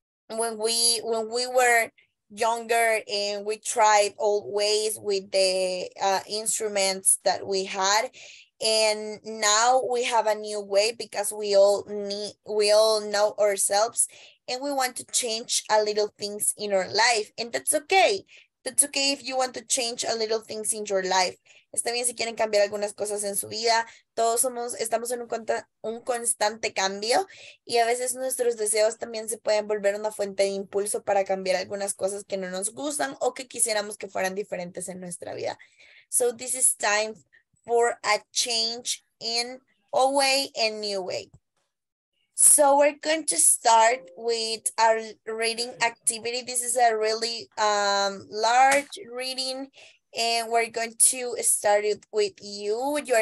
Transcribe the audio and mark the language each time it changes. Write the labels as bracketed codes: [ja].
[en] When we were younger and we tried old ways with the instruments that we had, and now we have a new way, because we all know ourselves, and we want to change a little things in our life. And that's okay. That's okay if you want to change a little things in your life. [es] Está bien si quieren cambiar algunas cosas en su vida. Todos estamos en un constante cambio, y a veces nuestros deseos también se pueden volver una fuente de impulso para cambiar algunas cosas que no nos gustan o que quisiéramos que fueran diferentes en nuestra vida. [en] So this is time for a change in a way and new way. So we're going to start with our reading activity. This is a really large reading, and we're going to start it with you.